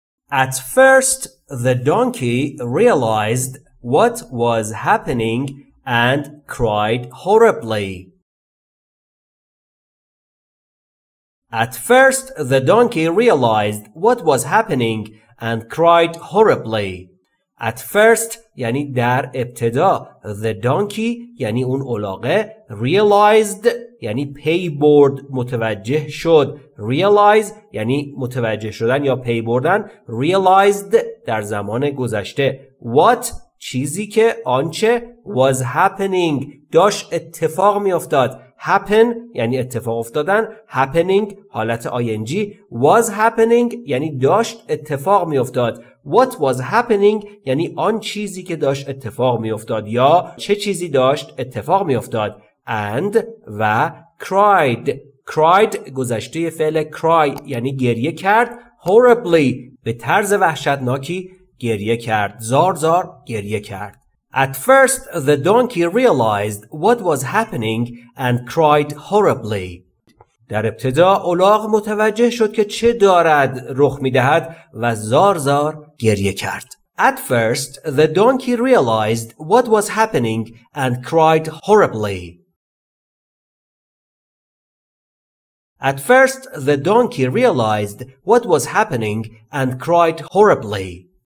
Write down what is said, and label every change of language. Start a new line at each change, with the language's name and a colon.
English: At first, the donkey realized what was happening and cried horribly. At first, the donkey realized what was happening and cried horribly. At first,
Persian: یعنی در ابتدا,
English: the donkey,
Persian: یعنی اون الاغه,
English: realized,
Persian: یعنی پی برد, متوجه شد,
English: realize,
Persian: یعنی متوجه شدن یا پی بردن, realized, در زمان گذشته,
English: what,
Persian: چیزی که آنچه
English: was happening
Persian: داشت اتفاق می افتاد
English: happen
Persian: یعنی اتفاق افتادن
English: happening
Persian: حالت ing was happening یعنی داشت اتفاق می افتاد
English: what was happening
Persian: یعنی آن چیزی که داشت اتفاق می افتاد یا چه چیزی داشت اتفاق می افتاد
English: and
Persian: و
English: cried cried
Persian: گذشته فعل
English: cry
Persian: یعنی گریه کرد
English: horribly
Persian: به طرز وحشتناکی گریه کرد. زار زار گریه کرد.
English: At first, the donkey realized what was happening and cried horribly.
Persian: در ابتدا، الاغ متوجه شد که چه دارد رخ می دهد و زار زار گریه کرد.
English: At first, the donkey realized what was happening and cried horribly. At first, the donkey realized what was happening and cried horribly.